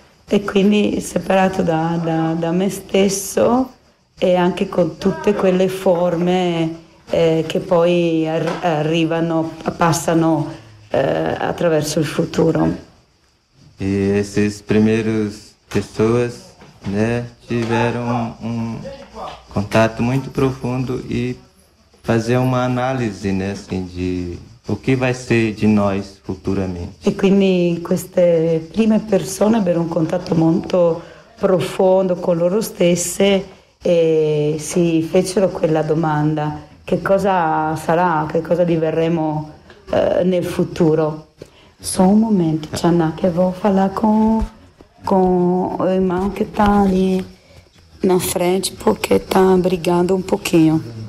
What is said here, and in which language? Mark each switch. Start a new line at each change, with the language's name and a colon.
Italian: E quindi separato da me stesso e anche con tutte quelle forme che poi arrivano, passano attraverso il futuro.
Portuguese: E esses primeiros pessoas, né, tiveram um contato muito profundo e fazer uma análise, né, assim, de o que vai ser de nós
Italian: E
Portuguese: futuramente.
Italian: quindi queste prime persone avevano un contatto molto profondo con loro stesse e si fecero quella domanda: che cosa sarà, che cosa diverremo nel futuro? Solo un momento, Gianna, che voglio parlare con il mio che sta lì in frente perché sta brigando un pochino.